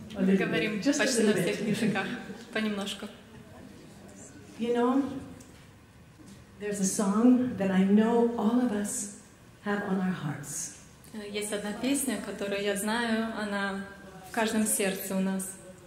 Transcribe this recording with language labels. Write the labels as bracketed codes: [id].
[ru] Мы говорим почти на всех языках, понемножку. [en] You know, there's a song that I know all of us have on our hearts. [ru] Есть одна песня, которую я знаю, она в каждом сердце у нас.